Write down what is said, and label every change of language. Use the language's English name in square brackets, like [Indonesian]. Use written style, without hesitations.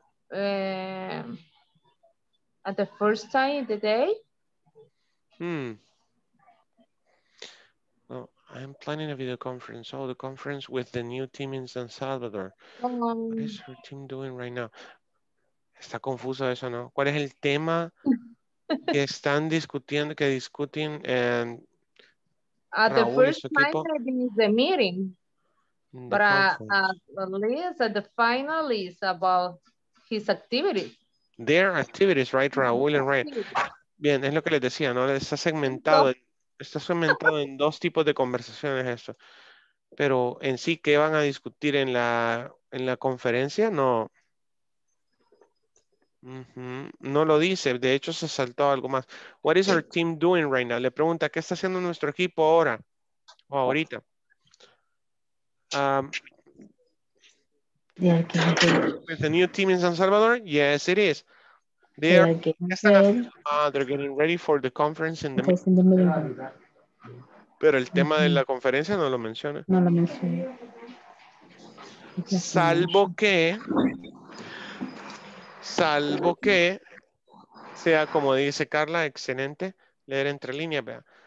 [English] At the first time in the day? Well, I'm planning a video conference. Oh, the conference with the new team in San Salvador. What is her team doing right now? [Spanish] Está confuso eso, ¿no? ¿Cuál es el tema que están discutiendo, que discuten en [English] The first time is the meeting. But at least at the final is about his activities. Their activities, right, [Spanish] Raúl and Ryan. Bien, es lo que les decía, ¿no? Está segmentado, está segmentado en dos tipos de conversaciones eso. Pero en sí, ¿qué van a discutir en la conferencia? No. No lo dice, de hecho se saltó algo más. [English] What is our team doing right now? [Spanish] Le pregunta, ¿qué está haciendo nuestro equipo ahora? O ahorita. [English] With the new team in San Salvador? Yes, it is. They're getting ready for the conference in the meeting. [Spanish] Pero el tema de la conferencia no lo menciona. No lo menciona. Salvo que sea como dice Carla, excelente, leer entre líneas, vea.